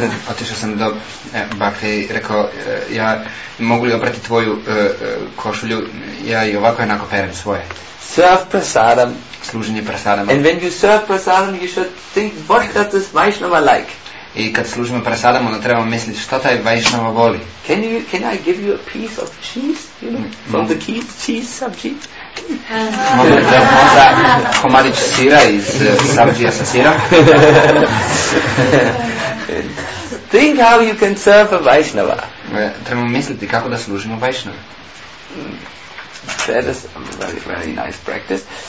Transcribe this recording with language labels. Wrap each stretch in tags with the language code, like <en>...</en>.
<hr>Otišao sam do bhakte i rekao, ja mogu li oprati tvoju košulju? Ja i ovako jednako perem svoje.</hr> <en>Serve prasadam.</en> <hr>Služenje prasadama.</hr> <en>And when you serve prasadam, you should think, what does this Vaishnava like?</en> <hr>I kad služimo prasadam, onda trebamo misliti šta taj Vaishnava voli.</hr> <en>Can I give you a piece of cheese, you know, from the cheese sabji?</en> <hr>Mogu da možda komadić sira iz sabjija sa sirom.</hr> <en>Think how you can serve a Vaishnava.</en> <hr>Trebamo misliti kako da služimo Vaishnava.</hr> <en>That is a very, very nice practice.</en>